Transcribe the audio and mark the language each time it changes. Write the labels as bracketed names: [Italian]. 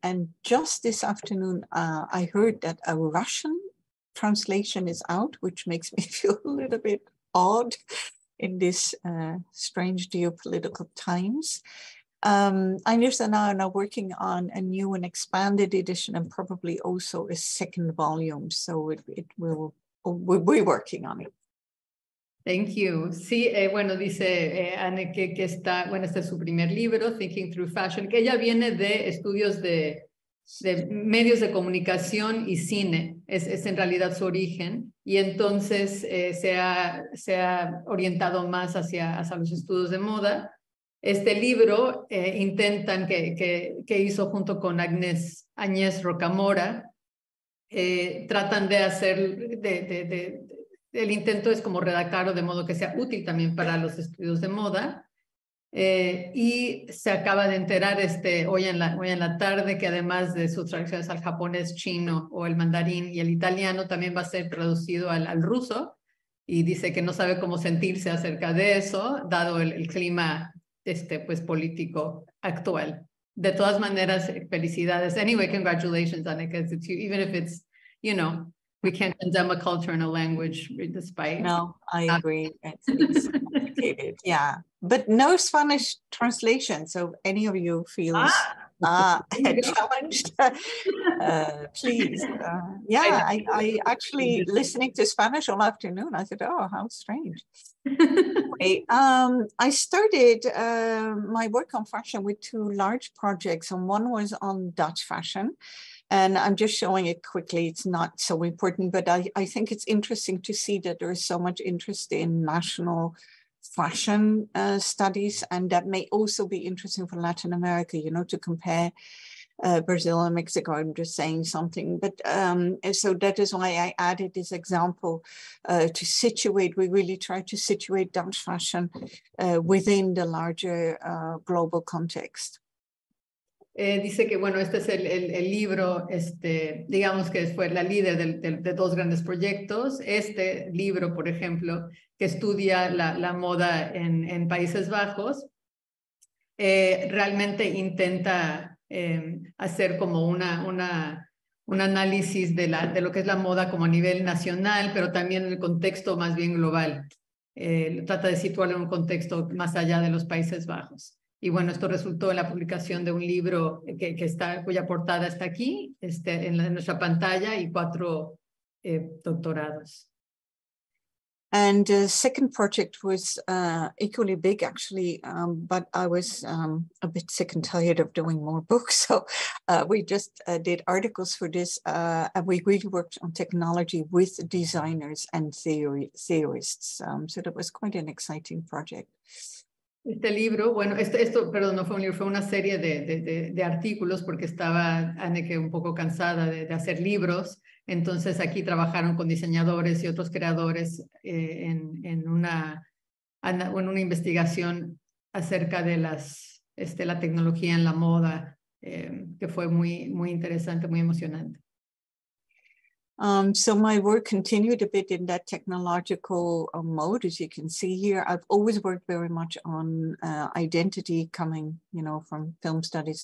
[English] And just this afternoon, I heard that a Russian translation is out, which makes me feel a little bit odd in this strange geopolitical times. Agnes and I are now working on a new and expanded edition and probably also a second volume. So we're working on it. Thank you. [Spanish] Sí, bueno, dice Anneke que está, bueno, este es su primer libro, Thinking Through Fashion, que ella viene de estudios de medios de comunicación y cine. Es en realidad su origen. Y entonces se ha orientado más hacia los estudios de moda. Este libro intentan que hizo junto con Agnes Rocamora, tratan de hacer, el intento es como redactarlo de modo que sea útil también para los estudios de moda. Y se acaba de enterar hoy en la tarde que además de sus traducciones al japonés, chino o el mandarín y el italiano, también va a ser traducido al ruso, y dice que no sabe cómo sentirse acerca de eso, dado el clima político actual. De todas maneras, felicidades. [English] Anyway, congratulations, [Spanish] Annika. [English] Even if it's, you know, we can't condemn a culture and a language despite. No, I agree. It's complicated. Yeah. But no Spanish translation. So if any of you feels challenged, please. I actually listening to Spanish all afternoon, I said, oh, how strange. Anyway, I started my work on fashion with two large projects, and one was on Dutch fashion. And I'm just showing it quickly. It's not so important, but I think it's interesting to see that there is so much interest in national fashion studies, and that may also be interesting for Latin America, you know, to compare Brazil and Mexico. I'm just saying something, but so that is why I added this example to situate. We really try to situate Dutch fashion within the larger global context. [Spanish] Dice que bueno, este es el libro, digamos que fue la líder de dos grandes proyectos. Este libro, por ejemplo, que estudia la moda en Países Bajos, realmente intenta hacer como un análisis de lo que es la moda como a nivel nacional, pero también en el contexto más bien global. Trata de situarlo en un contexto más allá de los Países Bajos. Y bueno, esto resultó en la publicación de un libro que está, cuya portada está aquí, en nuestra pantalla, y cuatro doctorados. [English] And the second project was equally big, actually, but I was a bit sick and tired of doing more books. So we just did articles for this, and we really worked on technology with designers and theorists. So that was quite an exciting project. [Spanish] Este libro, bueno, esto, perdón, no fue un libro, fue una serie de artículos porque estaba Anneke un poco cansada de hacer libros. Entonces aquí trabajaron con diseñadores y otros creadores en una investigación acerca de la tecnología en la moda, que fue muy, muy interesante, muy emocionante. [English] So my work continued a bit in that technological mode, as you can see here. I've always worked very much on identity coming, you know, from film studies.